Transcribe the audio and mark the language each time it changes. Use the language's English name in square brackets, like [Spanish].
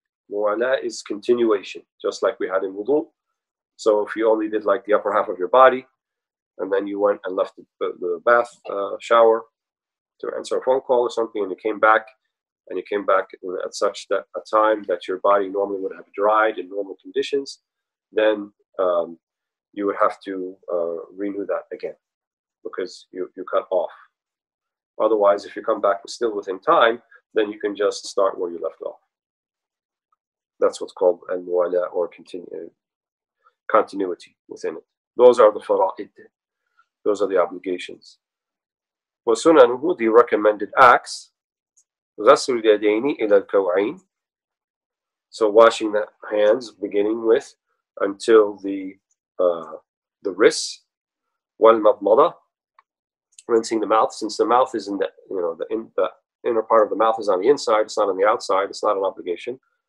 [English] Mu'alah is continuation, just like we had in wudu. So if you only did like the upper half of your body, and then you went and left the bath shower to answer a phone call or something, and you came back at such a time that your body normally would have dried in normal conditions, then you would have to renew that again, because you cut off. Otherwise, if you come back still within time, then you can just start where you left off. That's what's called al-mu'ala, or continuity within it. Those are the fara'id. Those are the obligations. [Arabic] وَسُنَنُهُ, [English] the recommended acts, [Arabic] غَسْلُ الْيَدَيْنِ إِلَى الْكَوْعَيْنِ. [English] So washing the hands, beginning with until the wrists. وَالْمَضْمَضَ, rinsing the mouth, since the mouth is in the, you know, the inner part of the mouth is on the inside, it's not on the outside, it's not an obligation.